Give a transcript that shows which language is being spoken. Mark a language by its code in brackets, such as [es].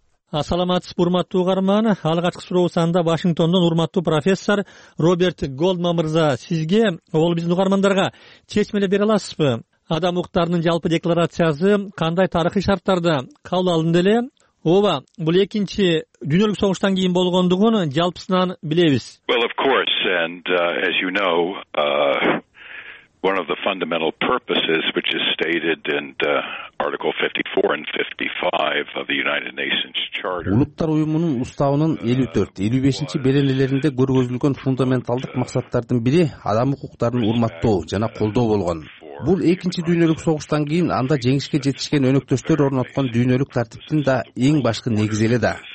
[ky] Саламатсызбы, урматтуу угарман. Алгачкы сурообуз анда Вашингтондон урматтуу профессор Роберт Голдман мырза, сизге, ал биздин угармандарга чечмелеп бере аласызбы? Адам укуктарынын жалпы декларациясы кандай тарыхый шарттарда кабыл алынды эле? Ооба, бул экинчи дүйнөлүк согуштан кийин болгондугун жалпысынан билебиз. [en] Well, of course, and as you know, one of the fundamental purposes which is stated in Article 54 and 55 of the United Nations Charter. [ky] Улуттар Уюмунун уставынын 54-55 беренелеринде көрсөтүлгөн фундаменталдык максаттардын бири адам укуктарын урматтоо жана колдоо болгон. Бул экинчи дүйнөлүк согуштан кийин анда жеңишке жетишкен өнөктөштөр орноткон дүйнөлүк тартиптин да эң башкы негизи эле да.